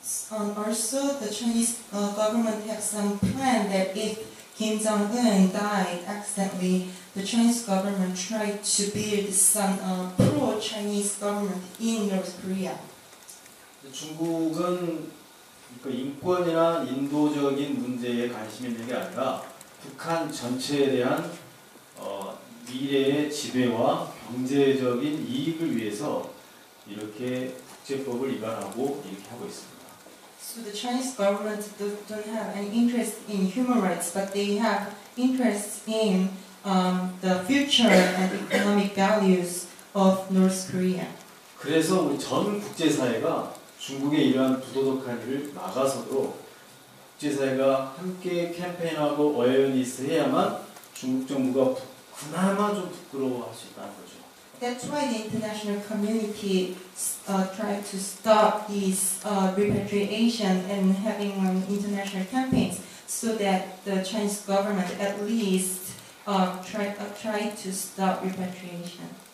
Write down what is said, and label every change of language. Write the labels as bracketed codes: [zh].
[en] Also, the Chinese government has some plan that if Kim Jong-un died accidentally, the Chinese government tried to build some pro-Chinese government in North Korea. [ko] 중국은 인권이나 인도적인 문제에 관심 있는 게 아니라 북한 전체에 대한 미래의 지배와 경제적인 이익을 위해서 이렇게 국제법을 위반하고 이렇게 하고 있습니다. [en] So the Chinese government don't have an interest in human rights, but they have interest in the future and economic values of North Korea. [ko] 그래서 우리 전 국제사회가 중국의 이러한 부도덕한 일을 막아서도록 국제사회가 함께 캠페인하고 어웨어니스 해야만 중국 정부가 그나마 좀 부끄러워할 수 있다는 거죠. [en] That's why the international community try to stop this repatriation and having international campaigns so that the Chinese government at least try to stop repatriation.